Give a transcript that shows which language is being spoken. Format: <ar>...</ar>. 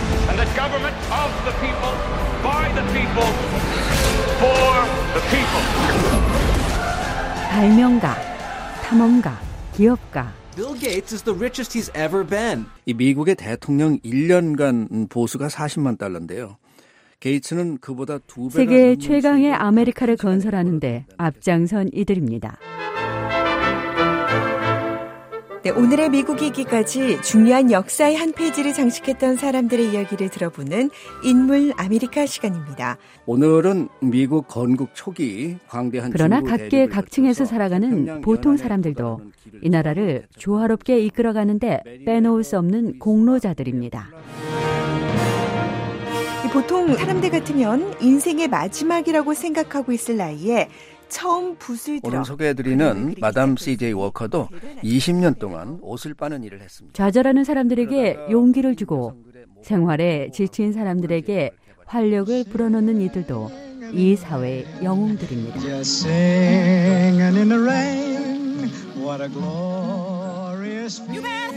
<en>And the government of the people, by the people, for the people.</en> <ko>발명가, 탐험가, 기업가.</ko> <en>Bill Gates is the richest he's ever been.</en> <ko>이 미국의 대통령 1년간 보수가 40만 달러인데요. 게이츠는 그보다 두 배나 세계 최강의 아메리카를 건설하는데 앞장선 이들입니다. 네, 오늘의 미국이기까지 중요한 역사의 한 페이지를 장식했던 사람들의 이야기를 들어보는 인물 아메리카 시간입니다. 오늘은 미국 건국 초기 광대한 그러나 각계 각층에서 살아가는 보통 사람들도 이 나라를 조화롭게 이끌어가는데 빼놓을 수 없는 공로자들입니다. 보통 사람들 같으면 인생의 마지막이라고 생각하고 있을 나이에 처음 붓을 들어 오늘 소개해드리는 마담 CJ 워커도 20년 동안 옷을 빠는 일을 했습니다. 좌절하는 사람들에게 용기를 주고 생활에 지친 사람들에게 활력을 불어넣는 이들도 이 사회의 영웅들입니다.</ko> <en>Singing in the rain, what a glorious feeling.</en>